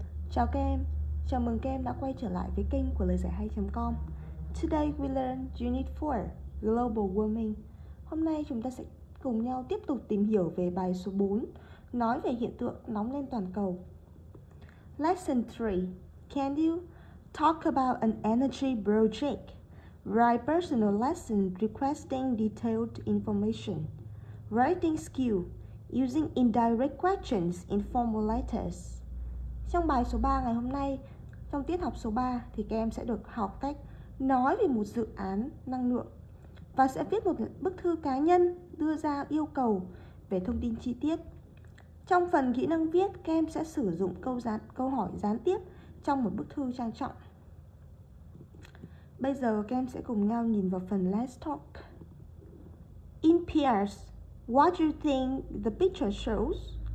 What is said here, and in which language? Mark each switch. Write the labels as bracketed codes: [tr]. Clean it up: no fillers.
[vi] Chào các em, chào mừng các em đã quay trở lại với kênh của lờiGiảiHay.com. [en] Today we learn Unit 4, Global Warming. [vi] Hôm nay chúng ta sẽ cùng nhau tiếp tục tìm hiểu về bài số 4, nói về hiện tượng nóng lên toàn cầu. [en] Lesson 3, can you talk about an energy project? Write personal lesson requesting detailed information. Writing skill, using indirect questions in formal letters. [vi] Trong bài số 3 ngày hôm nay, trong tiết học số 3 thì các em sẽ được học cách nói về một dự án năng lượng và sẽ viết một bức thư cá nhân đưa ra yêu cầu về thông tin chi tiết. Trong phần kỹ năng viết, các em sẽ sử dụng câu hỏi gián tiếp trong một bức thư trang trọng. Bây giờ các em sẽ cùng nhau nhìn vào phần Let's Talk. [en] In pairs, what do you think the picture shows?